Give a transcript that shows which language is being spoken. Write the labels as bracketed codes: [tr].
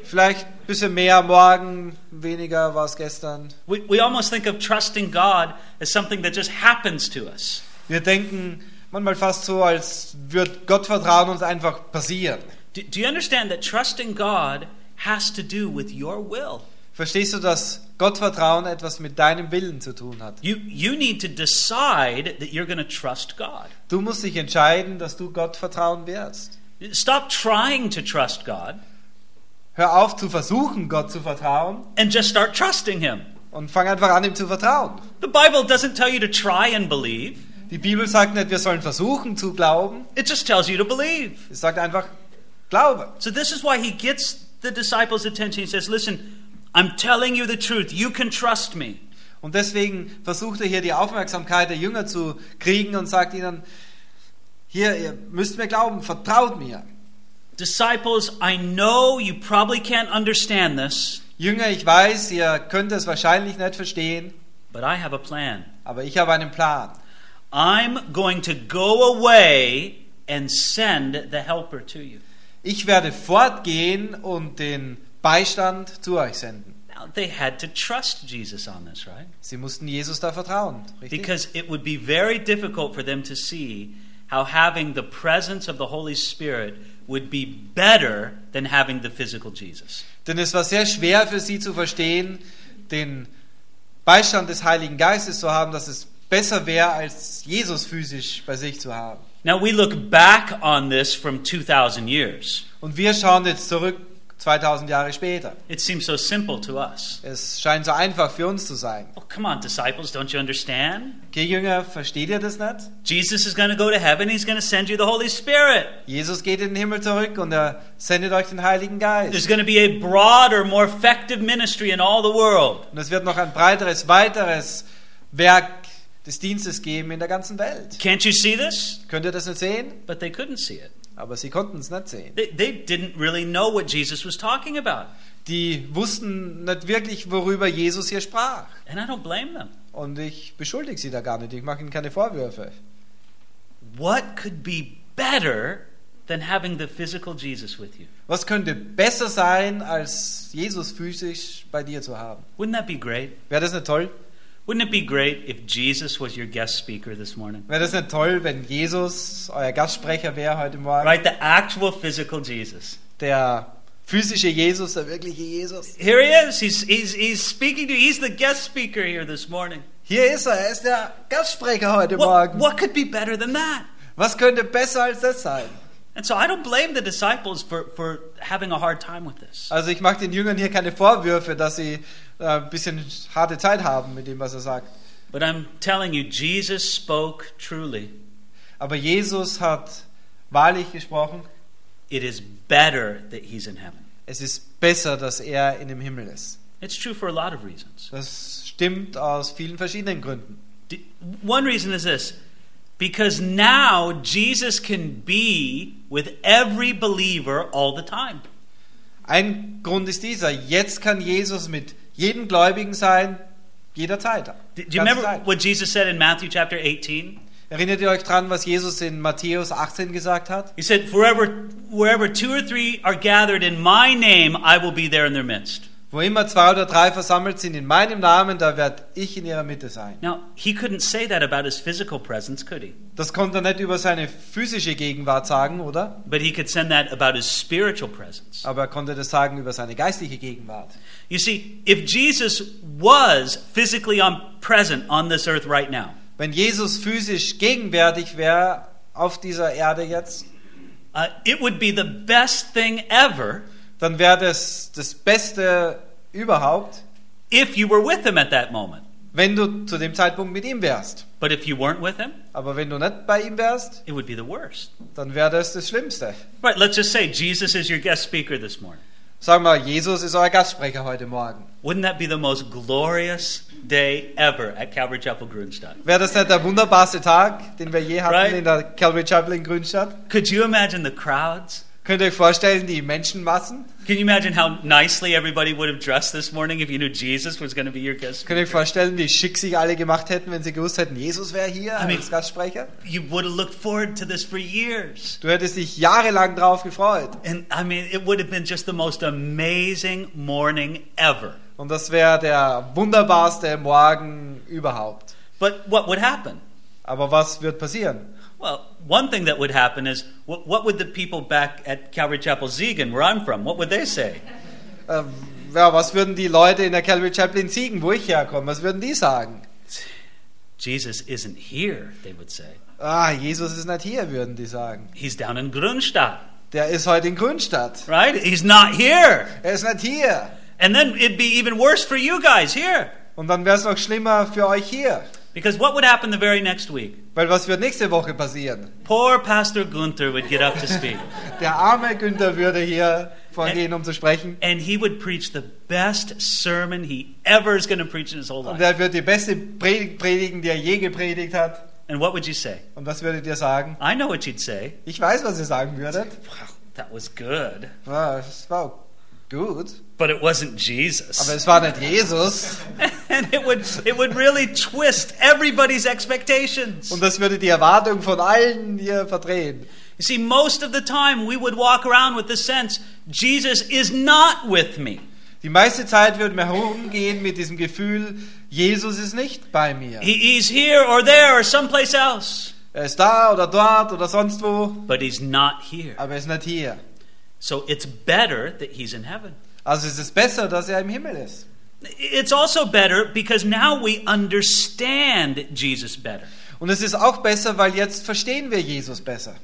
[de] Vielleicht ein bisschen mehr morgen, weniger war es gestern. [en] We almost think of trusting God as something that just happens to us. [de] Wir denken manchmal fast so, als würde Gott vertrauen uns einfach passieren. [en] Do you understand that trusting God has to do with your will? [de] Verstehst du, dass Gott vertrauen etwas mit deinem Willen zu tun hat? [en] You need to decide that you're going to trust God. [de] Du musst dich entscheiden, dass du Gott vertrauen wirst. [en] Stop trying to trust God. [de] Hör auf zu versuchen, Gott zu vertrauen. [en] And just start trusting him. [de] Und fang einfach an, ihm zu vertrauen. [en] The Bible doesn't tell you to try and believe. [de] Die Bibel sagt nicht, wir sollen versuchen zu glauben. [en] It just tells you to believe. [de] Es sagt einfach, glaube. [en] So this is why he gets the disciples' attention. He says, listen, I'm telling you the truth. You can trust me. [de] Und deswegen versucht er hier die Aufmerksamkeit der Jünger zu kriegen und sagt ihnen, hier, ihr müsst mir glauben, vertraut mir. [en] Disciples, I know you probably can't understand this. [de] Jünger, ich weiß, ihr könnt es wahrscheinlich nicht verstehen. [en] But I have a plan. [de] Aber ich habe einen Plan. [en] I'm going to go away and send the helper to you. [de] Ich werde fortgehen und den Beistand zu euch senden. [en] Now they had to trust Jesus on this, right? [de] Sie mussten Jesus da vertrauen, richtig? [en] Because it would be very difficult for them to see how having the presence of the Holy Spirit would be better than having the physical Jesus. [de] Denn es war sehr schwer für sie zu verstehen, den Beistand des Heiligen Geistes zu haben, dass es besser wäre, als Jesus physisch bei sich zu haben. [en] Now we look back on this from 2000 years. [de] Und wir schauen jetzt zurück 2000 Jahre später. [en] It seems so simple to us. [de] Es scheint so einfach für uns zu sein. [en] Oh, come on, disciples, don't you understand? [de] Okay, Jünger, versteht ihr das nicht? [en] Jesus is going to go to heaven, he's going to send you the Holy Spirit. [de] Jesus geht in den Himmel zurück und er sendet euch den Heiligen Geist. [en] There's going to be a broader, more effective ministry in all the world. [de] Und es wird noch ein breiteres, weiteres Werk des Dienstes geben in der ganzen Welt. [en] Can't you see this? [de] Könnt ihr das nicht sehen? [en] But they couldn't see it. [de] Aber sie konnten es nicht sehen. [en] They didn't really know what Jesus was talking about. [de] Die wussten nicht wirklich, worüber Jesus hier sprach. [en] And I don't blame them. [de] Und ich beschuldige sie da gar nicht. Ich mache ihnen keine Vorwürfe. [en] What could be better than having the physical Jesus with you? [de] Was könnte besser sein, als Jesus physisch bei dir zu haben? [en] Wouldn't that be great? [de] Wäre das nicht toll? [en] Wouldn't it be great if Jesus was your guest speaker this morning? [de] Wäre das nicht toll, wenn Jesus euer Gastsprecher wäre heute Morgen? [en] Right, the actual physical Jesus. [de] Der physische Jesus, der wirkliche Jesus. [en] Here he is. He's speaking to you. He's the guest speaker here this morning. [de] Hier ist er. Er ist der Gastsprecher heute Morgen. [en] What could be better than that? [de] Was könnte besser als das sein? [en] And so I don't blame the disciples for having a hard time with this. [de] Also ich mache den Jüngern hier keine Vorwürfe, dass sie ein bisschen harte Zeit haben mit dem, was er sagt. [en] But I'm telling you, Jesus spoke truly. [de] Aber Jesus hat wahrlich gesprochen. [en] It is better that he's in heaven. [de] Es ist besser, dass er in dem Himmel ist. [en] It's true for a lot of reasons. [de] Das stimmt aus vielen verschiedenen Gründen. [en] One reason is this. Because now Jesus can be with every believer all the time. [de] Ein Grund ist dieser. Jetzt kann Jesus mit jedem Gläubigen sein, jederzeit. [en] Do you remember what Jesus said in Matthew chapter 18? [de] Erinnert ihr euch dran, was Jesus in Matthäus 18 gesagt hat? [en] He said, wherever two or three are gathered in my name, I will be there in their midst. [de] Wo immer zwei oder drei versammelt sind in meinem Namen, da werde ich in ihrer Mitte sein. [en] Now, he couldn't say that about his physical presence, could he? [de] Das konnte er nicht über seine physische Gegenwart sagen, oder? [en] But he could send that about his spiritual presence. [de] Aber er konnte das sagen über seine geistliche Gegenwart. [en] You see, if Jesus was physically present on this earth right now. [de] wenn Jesus physisch gegenwärtig wäre auf dieser Erde jetzt, [en] it would be the best thing ever, [de] dann wäre das das Beste überhaupt, [en] if you were with him at that moment. [de] Wenn du zu dem Zeitpunkt mit ihm wärst. [en] But if you weren't with him, [de] aber wenn du nicht bei ihm wärst, [en] it would be the worst. [de] Dann wäre das das Schlimmste. [en] Right, let's just say, Jesus is your guest speaker this morning. [de] Sag mal, Jesus ist euer Gastsprecher heute Morgen. [en] Wouldn't that be the most glorious day ever at Calvary Chapel Grünstadt? [de] Wäre das nicht der wunderbarste Tag, den wir je hatten, right? In der Calvary Chapel in Grünstadt? [en] Could you imagine the crowds? [de] Könnt ihr euch vorstellen, die Menschenmassen? [en] Can you imagine how nicely everybody would have dressed this morning if you knew Jesus was going to be your guest speaker? [de] Könnt ihr euch vorstellen, wie schick sich alle gemacht hätten, wenn sie gewusst hätten, Jesus wäre hier als Gastsprecher? [en] You would have looked forward to this for years. [de] Du hättest dich jahrelang drauf gefreut. [en] And I mean, it would have been just the most amazing morning ever. [de] Und das wäre der wunderbarste Morgen überhaupt. [en] But what would happen? [de] Aber was wird passieren? [en] Well, one thing that would happen is, what would the people back at Calvary Chapel Siegen, where I'm from, what would they say? [de] Was würden die Leute in der Calvary Chapel in Siegen, wo ich herkomme, was würden die sagen? [en] Jesus isn't here, they would say. [de] Ah, Jesus ist nicht hier, würden die sagen. [en] He's down in Grünstadt. [de] Der ist heute in Grünstadt. [en] Right? He's not here. [de] Er ist nicht hier. [en] And then it'd be even worse for you guys here. [de] Und dann wäre es noch schlimmer für euch hier. [en] Because what would happen the very next week? [de] Weil was wird nächste Woche passieren? [en] Poor Pastor Gunther would get up to speak. [de] Der arme Günther würde hier vorgehen, um zu sprechen. [en] And he would preach the best sermon he ever is going to preach in his whole life. [de] Und er würde die beste Predigt predigen, die er je gepredigt hat. [en] And what would you say? [de] Und was würdet ihr sagen? [en] I know what you'd say. [de] Ich weiß, was ihr sagen würdet. [en] Wow, that was good. [de] Wow, das war gut. [en] But it wasn't Jesus. [de] Aber es war nicht Jesus. [en] And it would really twist everybody's expectations. [de] Und das würde die Erwartung von allen hier verdrehen. [en] You see, most of the time we would walk around with the sense Jesus is not with me. [de] Die meiste Zeit würden wir herumgehen mit diesem Gefühl, Jesus ist nicht bei mir. [en] He's here or there or someplace else. [de] Er ist da oder dort oder sonst wo. [en] But he's not here. [de] Aber er ist nicht hier. [en] So it's better that he's in heaven. [de] Also es ist besser, dass er im Himmel ist. [en] It's also better because now we understand Jesus better. [de] Und es ist auch besser, weil jetzt verstehen wir Jesus besser.